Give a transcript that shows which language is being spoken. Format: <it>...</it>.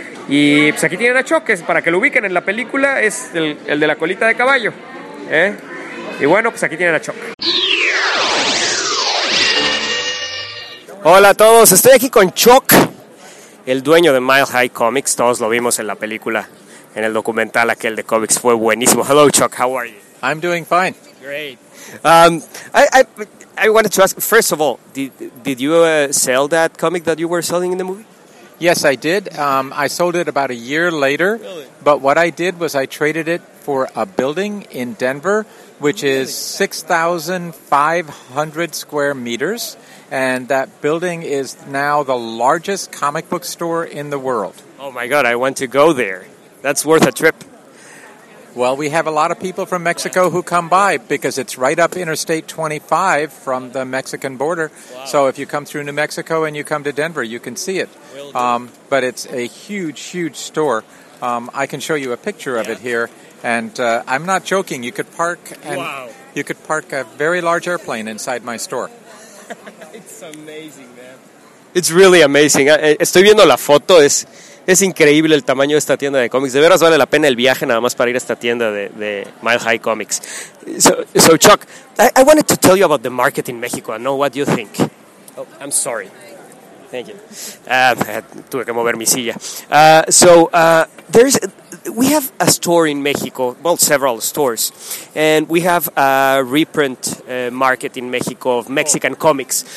<es>Y pues aquí tienen a Choques, para que lo ubiquen en la película, es el de la colita de caballo, ¿eh? Y bueno, pues aquí tienen a Choc. Hola a todos, estoy aquí con Choc, el dueño de Mile High Comics, todos lo vimos en la película. En el documental aquel de cómics fue buenísimo.</es> <en>Hello, Chuck. How are you? I'm doing fine. Great. I wanted to ask, first of all, did you sell that comic that you were selling in the movie? Yes, I did. I sold it about a year later. Really? But what I did was I traded it for a building in Denver, which is 6,500 square meters. And that building is now the largest comic book store in the world. Oh, my God. I want to go there. That's worth a trip. Well, we have a lot of people from Mexico who come by because it's right up Interstate 25 from the Mexican border. Wow. So if you come through New Mexico and you come to Denver, you can see it. But it's a huge, huge store. I can show you a picture of it here. And I'm not joking. You could park you could park a very large airplane inside my store. It's amazing, man. It's really amazing.</en> <es>Estoy viendo la foto. Es increíble el tamaño de esta tienda de cómics. De veras vale la pena el viaje nada más para ir a esta tienda de Mile High Comics.</es> <en>So Chuck, I wanted to tell you about the market in Mexico. I know what you think. Oh, I'm sorry. Thank you.</en> <es>Tuve que mover mi silla.</es> <en>We have a store in Mexico, well, several stores, and we have a reprint market in Mexico of Mexican comics.</en>